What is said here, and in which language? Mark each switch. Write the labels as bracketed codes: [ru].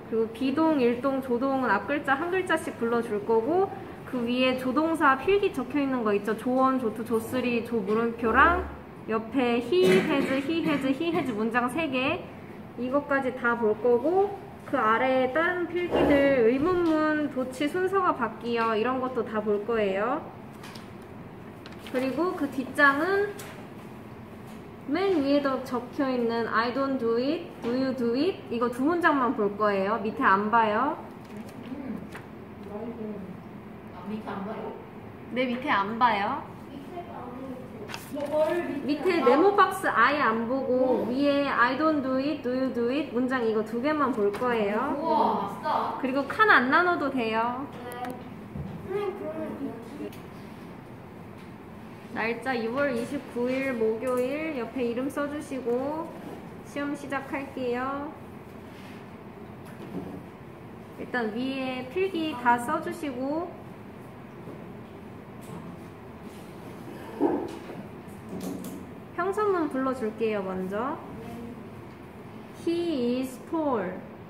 [ko] 그리고 비동, 일동, 조동은 앞글자 한 글자씩 불러줄 거고 그 위에 조동사 필기 적혀있는 거 있죠? 조원, 조투, 조쓰리, 조물음표랑 옆에 히, 해즈 문장 3개 이것까지 다 볼 거고 그 아래에 다른 필기들 의문문 도치 순서가 바뀌어 이런 것도 다 볼 거예요. 그리고 그 뒷장은 맨 위에도 적혀있는 [en] I don't do it, do you do it? [ko] 이거 두 문장만 볼 거예요. 밑에 안 봐요. 밑에 안 봐요? 네, 밑에 안 봐요. 밑에 네모 박스 아예 안 보고 위에 [en] I don't do it, do you do it? [ko] 문장 이거 두 개만 볼 거예요. 우와, 맞다. 그리고 칸 안 나눠도 돼요. 날짜 6월 29일 목요일 옆에 이름 써주시고 시험 시작할게요. 일단 위에 필기 다 써주시고 평서문 불러줄게요. 먼저 [en] He is tall.